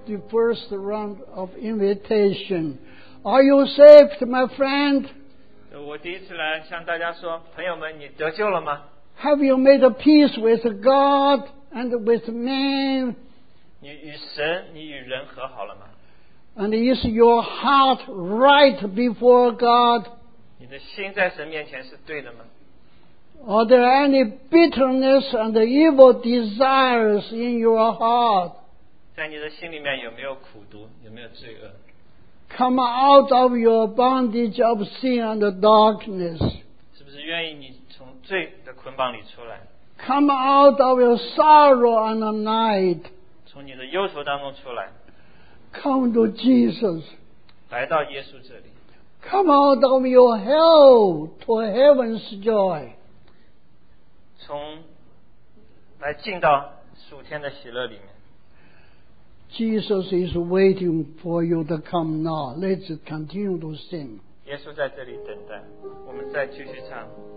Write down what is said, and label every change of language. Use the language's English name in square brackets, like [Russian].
[English] First round of invitation. Are you saved, my friend? [Chinese] 我第一次来向大家说，朋友们，你得救了吗？ [English] Have you made a peace with God and with man? [Chinese] 你与神，你与人和好了吗？ [English] And is your heart right before God? [Chinese] 你的心在神面前是对的吗？ [English] Are there any bitterness and evil desires in your heart? [Chinese] 在你的心里面有没有苦毒，有没有罪恶？ [English] Come out of your bondage of sin and darkness. [Chinese] 是不是愿意你从罪的捆绑里出来？ [English] Come out of your sorrow and night. [Chinese] 从你的忧愁当中出来。 [English] Come to Jesus. [Chinese] 来到耶稣这里。 [English] Come out of your hell to heaven's joy. [Chinese] 从来进到属天的喜乐里面。 [English] Jesus is waiting for you to come now. Let's continue to sing. [Chinese] 耶稣在这里等待，我们再继续唱。